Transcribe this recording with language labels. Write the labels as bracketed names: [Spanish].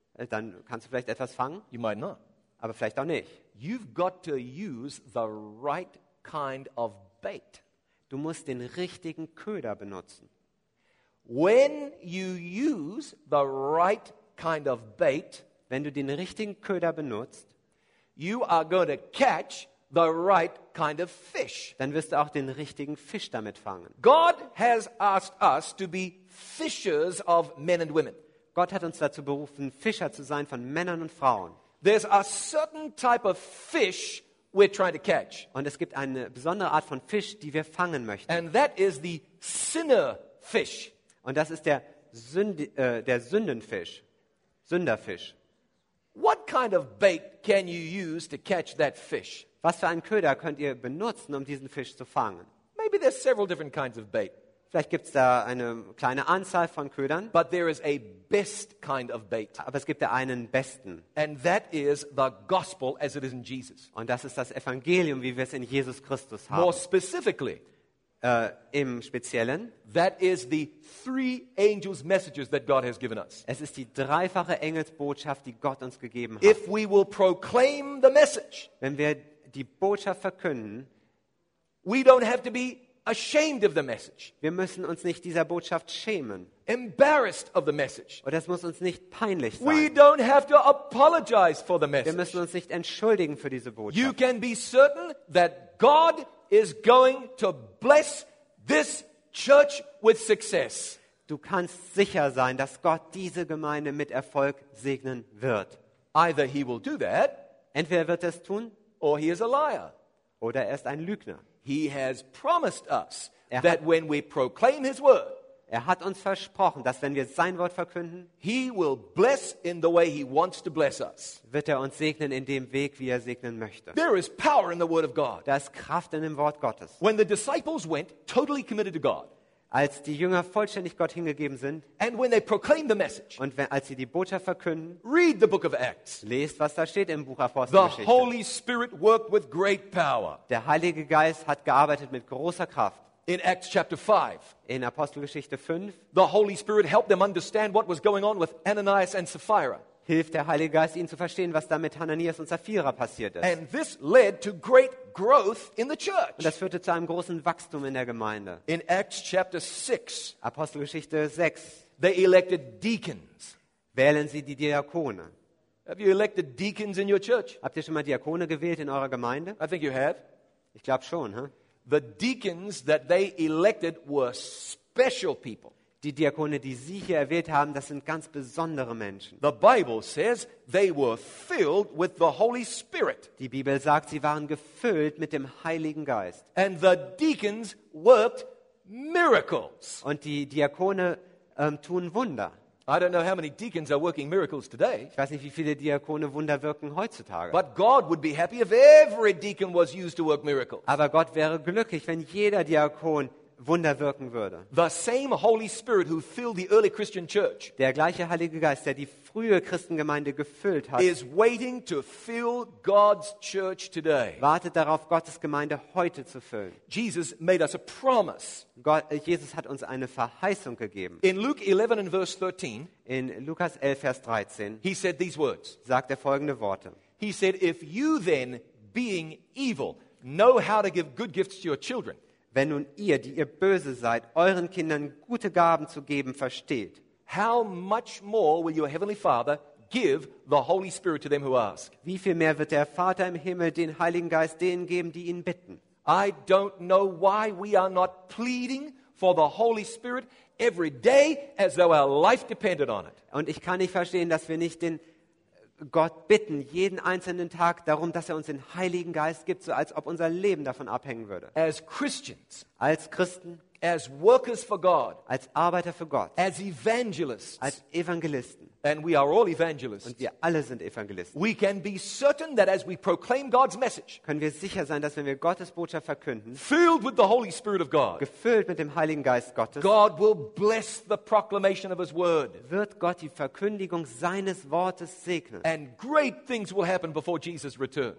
[German] Dann kannst du vielleicht etwas fangen. [English] You might not. [German] Aber vielleicht auch nicht. [English] You've got to use the right kind of bait. [German] Du musst den richtigen Köder benutzen. [English] When you use the right kind of bait, [German] wenn du den richtigen Köder benutzt, [English] you are going to catch the right kind of fish. [German] Dann wirst du auch den richtigen Fisch damit fangen. [English] God has asked us to be fishers of men and women. [German] Gott hat uns dazu berufen, Fischer zu sein von Männern und Frauen. [English] There's a certain type of fish we're trying to catch. [German] Und es gibt eine besondere Art von Fisch, die wir fangen möchten. [English] And that is the sinner fish. [German] Und das ist der Sündenfisch, Sünderfisch. [English] What kind of bait can you use to catch that fish? [German] Was für einen Köder könnt ihr benutzen, um diesen Fisch zu fangen? [English] Maybe there's several different kinds of bait. [German] Vielleicht gibt's da eine kleine Anzahl von Ködern. [English] But there is a best kind of bait. [German] Aber es gibt da einen besten. [English] And that is the gospel as it is in Jesus. [German] Und das ist das Evangelium, wie wir es in Jesus Christus haben. [English] More specifically, [German] Im Speziellen. [English] That is the three angels' messages that God has given us. [German] Es ist die dreifache Engelsbotschaft, die Gott uns gegeben hat. [English] If we will proclaim the message, [German] wenn wir die Botschaft verkünden, [English] we don't have to be ashamed of the message. [German] Wir müssen uns nicht dieser Botschaft schämen. [English] Embarrassed of the message. [German] Und das muss uns nicht peinlich sein. [English] We don't have to apologize for the message. [German] Wir müssen uns nicht entschuldigen für diese Botschaft. [English] You can be certain that God is going to bless this church with success. [German] Du kannst sicher sein, dass Gott diese Gemeinde mit Erfolg segnen wird. [English] Either he will do that, [German] entweder wird es tun, [English] or he is a liar, [German] oder er ist ein Lügner. [English] He has promised us that when we proclaim his word, [German] er hat uns versprochen, dass wenn wir sein Wort verkünden, [English] he will bless in the way he wants to bless us. [German] Wird er uns segnen in dem Weg, wie er segnen möchte. [English] There is power in the word of God. [German] Da ist Kraft in dem Wort Gottes. [English] When the disciples went totally committed to God, [German] als die Jünger vollständig Gott hingegeben sind, [English] and when they proclaimed the message, [German] und wenn, als sie die Botschaft verkünden, [English] read the book of Acts, [German] lest, was da steht im Buch Apostelgeschichte. [English] The Holy Spirit worked with great power. [German] Der Heilige Geist hat gearbeitet mit großer Kraft. [English] In Acts chapter 5, [German] in Apostelgeschichte 5, [English] the Holy Spirit helped them understand what was going on with Ananias and Sapphira. [German] Hilft der Heilige Geist ihnen zu verstehen, was da mit Hananias und Sapphira passiert ist. [English] And this led to great growth in the church. [German] Und das führte zu einem großen Wachstum in der Gemeinde. [English] In Acts chapter 6, [German] Apostelgeschichte 6, [English] they elected deacons. [German] Wählen sie die Diakone. [English] Have you elected deacons in your church? [German] Habt ihr schon mal Diakone gewählt in eurer Gemeinde? [English] I think you have. [German] Ich glaube schon, huh? [English] The deacons that they elected were special people. [German] Die Diakone, die sie hier erwählt haben, das sind ganz besondere Menschen. [English] The Bible says they were filled with the Holy Spirit. [German] Die Bibel sagt, sie waren gefüllt mit dem Heiligen Geist. [English] And the deacons worked miracles. [German] Und die Diakone tun Wunder. [English] I don't know how many deacons are working miracles today. [German] Ich weiß nicht, wie viele Diakone Wunder wirken heutzutage. [English] But God would be happy if every deacon was used to work miracles. [German] Aber Gott wäre glücklich, wenn jeder Diakon Wunder wirken würde. [English] The same Holy Spirit who filled the early Christian church. [German] Der gleiche Heilige Geist, der die frühe Christengemeinde gefüllt hat. [English] Is waiting to fill God's church today. [German] Wartet darauf, Gottes Gemeinde heute zu füllen. [English] Jesus made us a promise. [German] Jesus hat uns eine Verheißung gegeben. [English] In Luke 11 and verse 13. [German] In Lukas 11 Vers 13. [English] He said these words. [German] Sagt er folgende Worte. [English] He said, if you then being evil know how to give good gifts to your children. [German] Wenn nun ihr, die ihr böse seid, euren Kindern gute Gaben zu geben versteht, [English] how much more will your heavenly Father give the Holy Spirit to them who ask? [German] Wie viel mehr wird der Vater im Himmel den Heiligen Geist denen geben, die ihn bitten? [English] I don't know why we are not pleading for the Holy Spirit every day as though our life depended on it. [German] Und ich kann nicht verstehen, dass wir nicht den Gott bitten jeden einzelnen Tag darum, dass er uns den Heiligen Geist gibt, so als ob unser Leben davon abhängen würde. [English] As Christians, [German] als Christen, [English] as workers for God, [German] als Arbeiter für Gott, [English] as evangelists, [German] als Evangelisten, [English] and we are all evangelists, [German] und wir alle sind Evangelisten. [English] We can be certain that as we proclaim God's message, [German] können wir sicher sein, dass wenn wir Gottes Botschaft verkünden, [English] filled with the Holy Spirit of God, [German] gefüllt mit dem Heiligen Geist Gottes, [English] God will bless the proclamation of his word, [German] wird Gott die Verkündigung seines Wortes segnen, [English] and great things will happen before Jesus returns.